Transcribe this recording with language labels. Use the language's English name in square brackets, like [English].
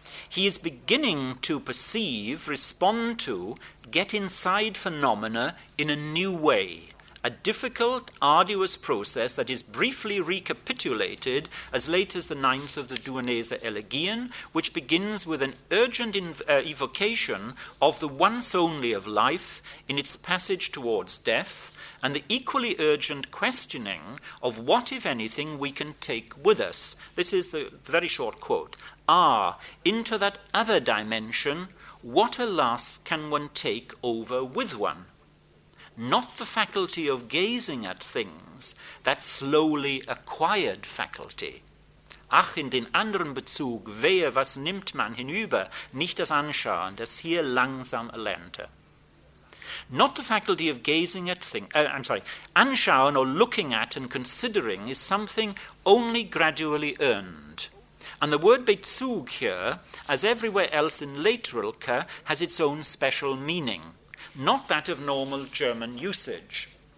[English] He is beginning to perceive, respond to, get inside phenomena in a new way, a difficult, arduous process that is briefly recapitulated as late as the ninth of the Duoneser Elegien, which begins with an urgent evocation of the once only of life in its passage towards death, and the equally urgent questioning of what, if anything, we can take with us. This is the very short quote. Ah, into that other dimension, what, alas, can one take over with one? Not the faculty of gazing at things, that slowly acquired faculty. [German] Ach, in den anderen Bezug, wehe, was nimmt man hinüber, nicht das Anschauen, das hier langsam erlernte. [English] Not the faculty of gazing at things, Anschauen, or looking at and considering, is something only gradually earned. And the word Bezug here, as everywhere else in late Rilke, has its own special meaning, not that of normal German usage.